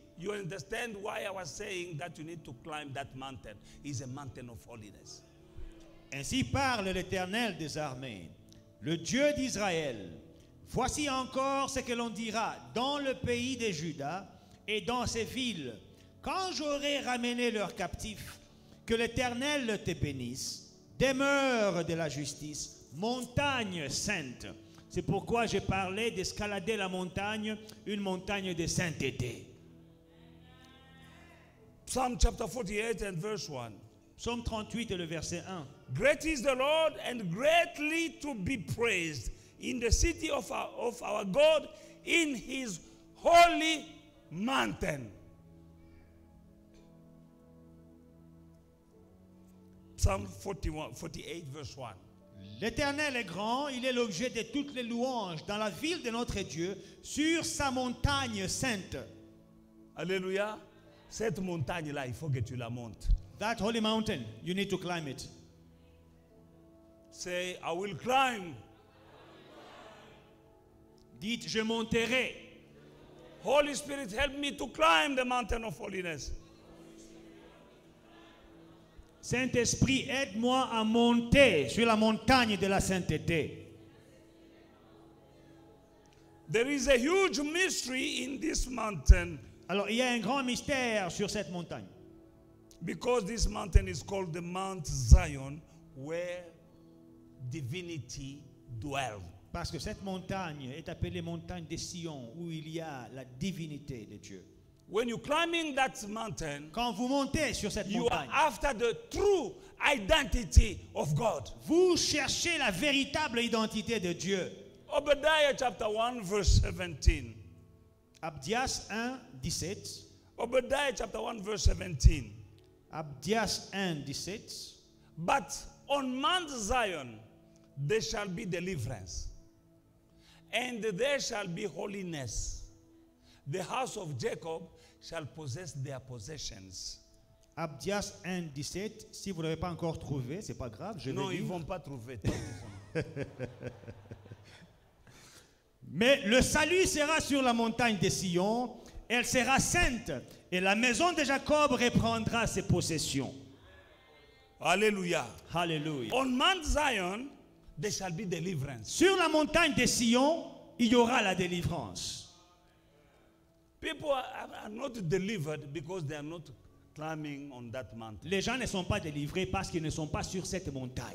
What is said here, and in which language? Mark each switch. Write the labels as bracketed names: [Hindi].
[English] you understand why I was saying that you need to climb that mountain. It's a mountain of holiness. [French] Ainsi parle l'Éternel des armées, le Dieu d'Israël. Voici encore ce que l'on dira dans le pays de Juda et dans ses villes. Quand j'aurai ramené leurs captifs, que l'Éternel te bénisse, demeure de la justice, montagne sainte. C'est pourquoi j'ai parlé d'escalader la montagne, une montagne de sainteté. [English] Psalm chapter 48 and verse 1. [French] Psalm 38 et le verset 1. [English] Great is the Lord and greatly to be praised in the city of our God, in his holy mountain. Psalm 48, verse 1. [French] L'Éternel est grand, il est l'objet de toutes les louanges dans la ville de notre Dieu, sur sa montagne sainte. Alléluia. Cette montagne-là, il faut que tu la montes. [English] That holy mountain, you need to climb it. Say, I will climb. [French] Dites, je monterai. [English] Holy Spirit, help me to climb the mountain of holiness. [French] Saint-Esprit, aide-moi à monter sur la montagne de la sainteté. [English] There is a huge mystery in this mountain. [French] Alors, il y a un grand mystère sur cette montagne. [English] Because this mountain is called the Mount Zion, where divinity dwells. [French] Parce que cette montagne est appelée montagne de Sion, où il y a la divinité de Dieu. [English] When you're climbing that mountain, [French] quand vous montez sur cette montagne, [English] you are after the true identity of God. [French] Vous cherchez la véritable identité de Dieu. [English] Obadiah chapter 1 verse 17. [French] Abdias 1 17. [English] Obadiah chapter 1 verse 17. [French] Abdias 1 17. [English] But on Mount Zion there shall be deliverance, and there shall be holiness. The house of Jacob shall possess their possessions. [French] Abdias 1, 17. Si vous ne l'avez pas encore trouvé, ce n'est pas grave. Je non, vais ils lire. Vont pas trouver. Mais le salut sera sur la montagne de Sion. Elle sera sainte. Et la maison de Jacob reprendra ses possessions. Alléluia. Alléluia. [English] On Mount Zion, there shall be deliverance. [French] Sur la montagne de Sion, il y aura la délivrance. [English] People are not delivered because they are not climbing on that mountain. [French] Les gens ne sont pas délivrés parce qu'ils ne sont pas sur cette montagne.